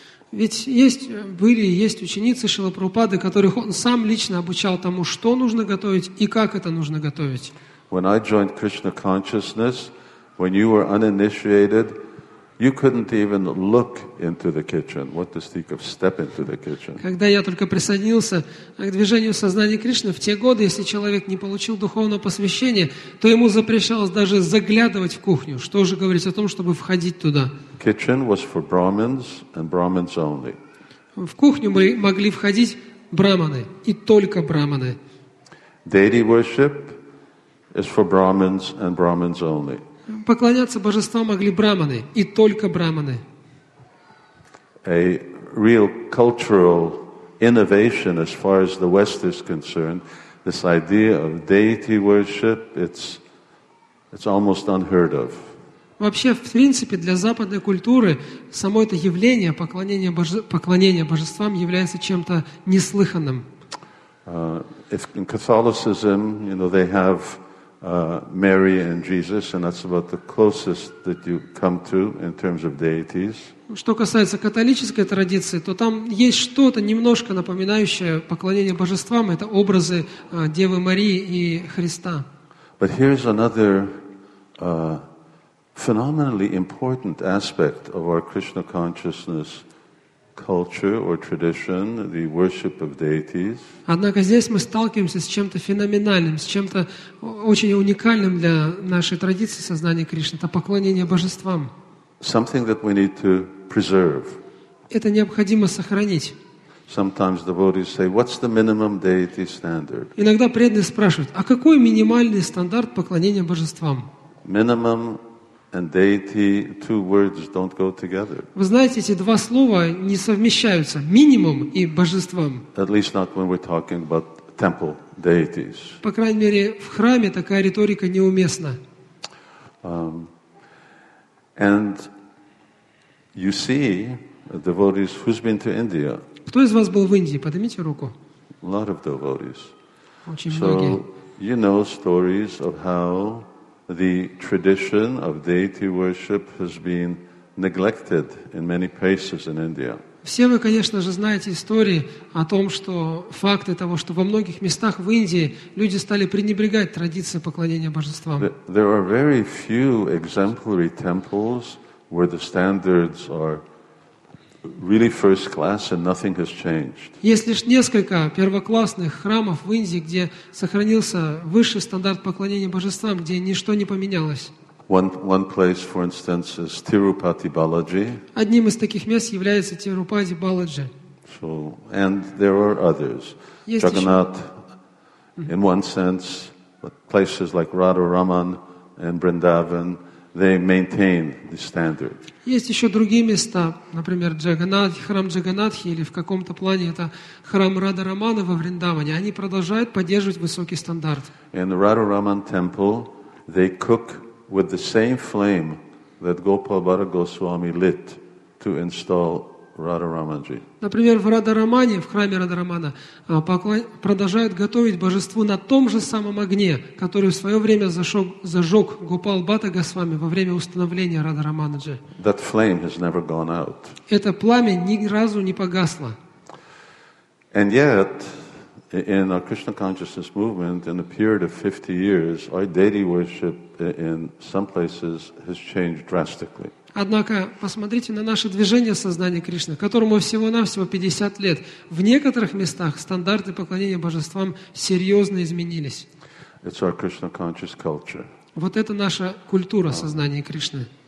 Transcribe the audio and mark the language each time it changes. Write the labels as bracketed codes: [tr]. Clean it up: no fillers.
[ru] Ведь были и есть ученицы Шрилы Прабхупады, которых он сам лично обучал тому, что нужно готовить и как это нужно готовить. [en] When I joined Krishna consciousness, when you were uninitiated, you couldn't even look into the kitchen. What to speak of step into the kitchen. [ru] Когда я только присоединился к движению сознания Кришны, в те годы, если человек не получил духовного посвящения, то ему запрещалось даже заглядывать в кухню. Что же говорить о том, чтобы входить туда? [en] Kitchen was for Brahmins and Brahmins only. [ru] В кухню могли входить браманы и только браманы. [en] Deity worship is for Brahmins and Brahmins only. [ru] Поклоняться божествам могли браманы и только браманы. [en] A real cultural innovation as far as the West is concerned, this idea of deity worship, it's almost unheard of. [ru] Вообще, в принципе, для западной культуры само это явление поклонение божествам является чем-то неслыханным. [en] If in Catholicism, you know, they have Mary and Jesus, and that's about the closest that you come to in terms of deities. [ru] Что касается католической традиции, то там есть что-то немножко напоминающее поклонение божествам, это образы Девы Марии и Христа. [en] But here's another phenomenally important aspect of our Krishna consciousness culture or tradition, the worship of deities. [ru] Однако здесь мы сталкиваемся с чем-то феноменальным, с чем-то очень уникальным для нашей традиции сознания Кришны, это поклонение божествам. [en] Something that we need to preserve. [ru] Это необходимо сохранить. [en] Sometimes devotees say, "What's the minimum deity standard?" [ru] Иногда преданные спрашивают: "А какой минимальный стандарт поклонения божествам?" [en] Minimum and deity, two words don't go together. [ru] Вы знаете, эти два слова не совмещаются: минимум и божествам. [en] At least not when we're talking about temple deities. [ru] По крайней мере, в храме такая риторика неуместна. [en] And you see, devotees who's been to India. [ru] Кто из вас был в Индии? Поднимите руку. [en] A lot of devotees. [ru] Очень so, многие. [en] You know stories of how the tradition of deity worship has been neglected in many places in India. [ru] Все вы, конечно же, знаете истории о том, что факты того, что во многих местах в Индии люди стали пренебрегать традицией поклонения божествам. [en] There are very few exemplary temples where the standards are really first class and nothing has changed. [ru] Есть лишь несколько первоклассных храмов в Индии, где сохранился высший стандарт поклонения божествам, где ничто не поменялось. [en] One place, for instance, is Tirupati Balaji. [ru] Одним из таких мест является Тирупати Баладжи. [en] So, and there are others. [ru] Есть [en] Jagannath, in one sense, but places like Radharaman and Vrindavan, they maintain the standard. [ru] Есть еще другие места, например, Джаганнат, храм Джаганнатхи, или в каком-то плане это храм Радарамана во Вриндаване. Они продолжают поддерживать высокий стандарт. [en] In Radharaman temple, they cook with the same flame that Gopal Bhatta Goswami lit to install Radharamanji. [ru] Например, в Радарамане, в храме Радарамана, продолжают готовить божеству на том же самом огне, который в свое время зажег Гопал Бхатта Госвами во время установления Радарамана-джи. [en] That flame has never gone out. [ru] Это пламя ни разу не погасло. [en] And yet, in our Krishna consciousness movement, in a period of 50 years, our deity worship in some places has changed drastically. [ru] Однако, посмотрите на наше движение сознания Кришны, которому всего-навсего 50 лет. В некоторых местах стандарты поклонения божествам серьезно изменились. [en] It's our Krishna conscious culture. [ru] Вот это наша культура сознания Кришны.